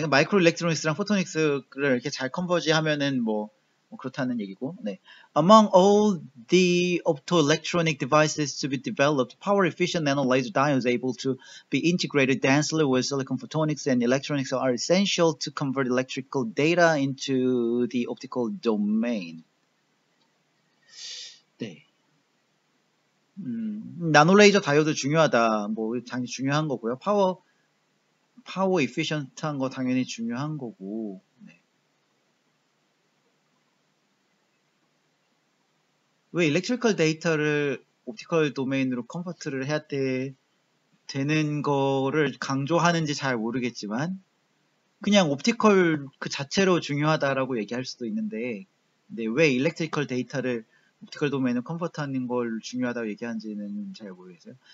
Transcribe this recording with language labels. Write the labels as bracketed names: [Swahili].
[Korean] 마이크로일렉트로닉스랑 포토닉스를 이렇게 잘 컨버지 하면은 뭐 그렇다는 얘기고. 네. [English] Among all the optoelectronic devices to be developed, power efficient nanolaser diodes able to be integrated densely with silicon photonics and electronics are essential to convert electrical data into the optical domain. [Korean] 나노레이저 다이오드 중요하다. 뭐 당연히 중요한 거고요. 파워 이피션트한 거 당연히 중요한 거고. 네. 왜 일렉트리컬 데이터를 옵티컬 도메인으로 컨버트를 해야 되는 거를 강조하는지 잘 모르겠지만 그냥 옵티컬 그 자체로 중요하다라고 얘기할 수도 있는데, 네, 왜 일렉트리컬 데이터를 옵티컬 도메인을 컨버트하는 걸 중요하다고 얘기하는지는 잘 모르겠어요.